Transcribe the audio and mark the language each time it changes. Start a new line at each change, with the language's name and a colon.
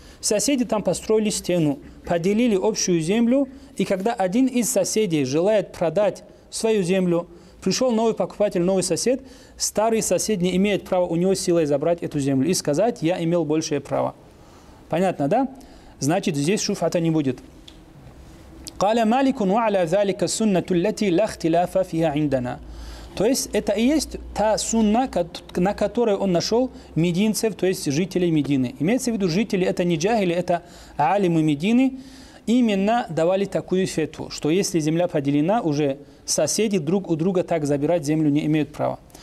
Russian: Соседи там построили стену, поделили общую землю, и когда один из соседей желает продать свою землю, пришел новый покупатель, новый сосед, старый сосед не имеет права у него силой забрать эту землю и сказать: «Я имел большее право». Понятно, да? Значит, здесь шуфата не будет.
Arabic: قال مالك وعلى ذلك السنة التي لا اختلاف فيها عندنا.
Russian: То есть это и есть та сунна, на которой он нашел мединцев, то есть жителей Медины. Имеется в виду, жители это не джахили, это алимы Медины. Именно давали такую фетву, что если земля поделена, уже соседи друг у друга так забирать землю не имеют права.